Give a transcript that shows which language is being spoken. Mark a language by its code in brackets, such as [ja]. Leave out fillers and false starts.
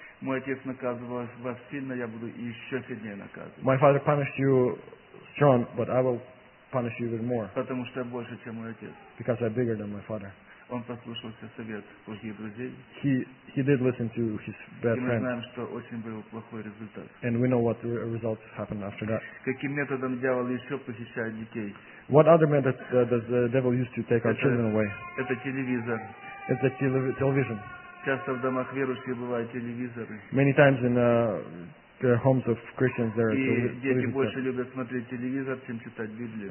[ru] Мой отец наказывал вас сильно, я буду еще сильнее наказывать. [en] My father punished you strong, but I will punish you even more. [ru] Потому что я больше, чем мой отец. [en] Because I'm bigger than my father. [ru] Он послушался совет плохих друзей. [en] He did listen to his bad friends. [ru] И мы знаем, что очень был плохой результат. [en] And we know what result happened after that. [ru] Каким методом дьявол еще похищает детей? [en] What other method does the devil use to take our children away? [ru] Это телевизор. [en] It's the television. [ru] Часто в домах верующих бывают телевизоры. [en] Many times in the homes of Christians there are televisions. [ru] И дети больше любят смотреть телевизор, чем читать Библию.